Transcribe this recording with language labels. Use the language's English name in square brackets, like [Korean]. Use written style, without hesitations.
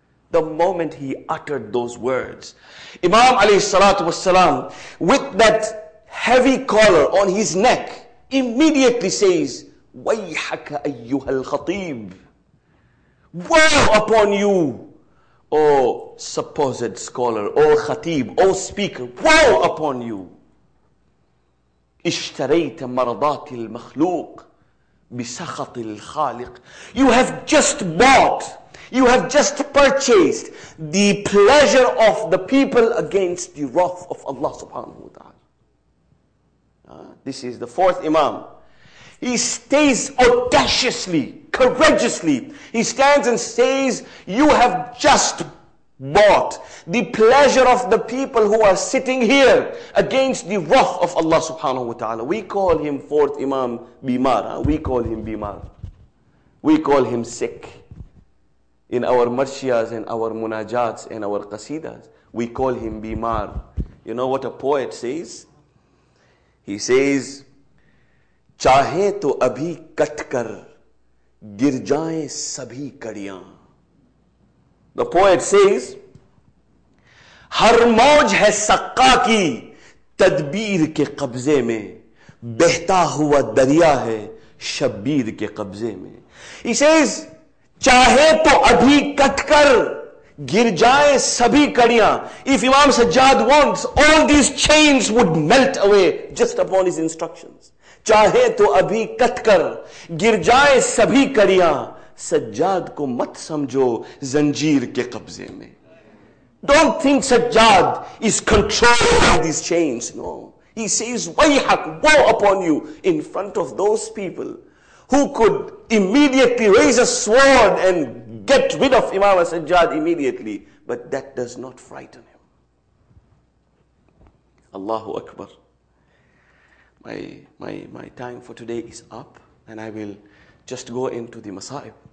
[English] The moment he uttered those words, Imam alayhi salatu wasalam, with that heavy collar on his neck, immediately says, [Arabic] وَيْحَكَ أَيُّهَا الْخَطِيبُ, [English] woe upon you, O supposed scholar, O khatib, O speaker, woe upon you. [Arabic] اشتريت مرضات المخلوق بسخط الخالق. [English] You have just bought, you have just purchased the pleasure of the people against the wrath of Allah subhanahu wa ta'ala. This is the fourth imam. He stays audaciously, courageously. He stands and says, you have just bought the pleasure of the people who are sitting here against the wrath of Allah subhanahu wa ta'ala. We call him fourth imam Bimar. We call him Bimar. We call him sick. In our marshiyas and our munajats and our qasidas, we call him Bimar. You know what a poet says? He says, [Hindi] चाहे तो अभी कटकर गिर जाएं सभी कड़ियां. [English] the poet says [Hindi] हर मौज है सक्का की तदबीर के कब्जे में, बहता हुआ दरिया है शब्बीर के कब्जे में. [English] he says [Hindi] चाहे तो अभी कटकर गिर जाए सभी कड़ियां. [English] If Imam Sajjad wants all these chains would melt away just upon his instructions. [Hindi] चाहे तो अभी कटकर गिर जाए सभी कड़ियां, सज्जाद को मत समझो जंजीर के कब्जे में. [English] Don't think Sajjad is controlled by these chains. No, he says वैहक woe upon you in front of those people who could immediately raise a sword and get rid of Imam Sajjad immediately. But that does not frighten him. Allahu Akbar. My time for today is up and I will just go into the Masaib.